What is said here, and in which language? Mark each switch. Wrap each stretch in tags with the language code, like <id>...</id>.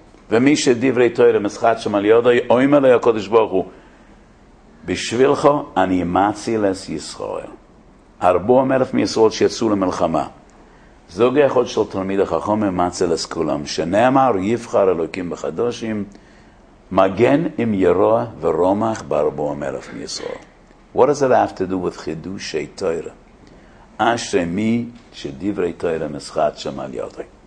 <he>ומי שדברי תורה מסחט שם על יודו, אומר לי הקדוש ברוך הוא, בשבילך אני מציל את ישראל. 40,000 מישראל שיצאו למלחמה. זוג אחד של תלמיד החכם מציל את כולם, שנאמר, יבחר אלוקים בחדושים, מגן עם ירוע ורומח ב-40,000 מישראל.</he> <en>What does it have to do with חידושי תורה?</en> <he>אשרי מי שדברי תורה מסחט שם על יודו.</he>